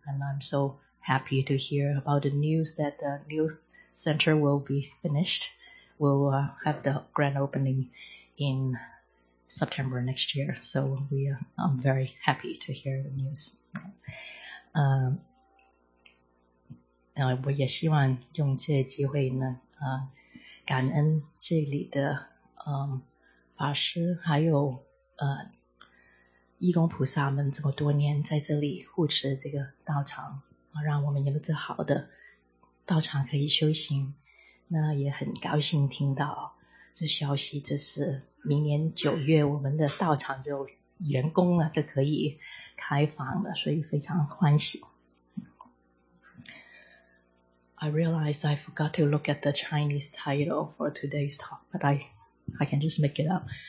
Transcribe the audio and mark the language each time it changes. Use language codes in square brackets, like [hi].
[en] And I'm so happy to hear about the news that the new center will be finished. We'll have the grand opening in September next year. So I'm very happy to hear the news. [zh] 我也希望用这个机会呢，感恩这里的法师还有义工菩萨们这么多年在这里护持这个道场，让我们有这好的道场可以修行。那也很高兴听到这消息，这是明年九月我们的道场就员工了，就可以开放了，所以非常欢喜。 [en] I realized I forgot to look at the Chinese title for today's talk, but I can just make it up.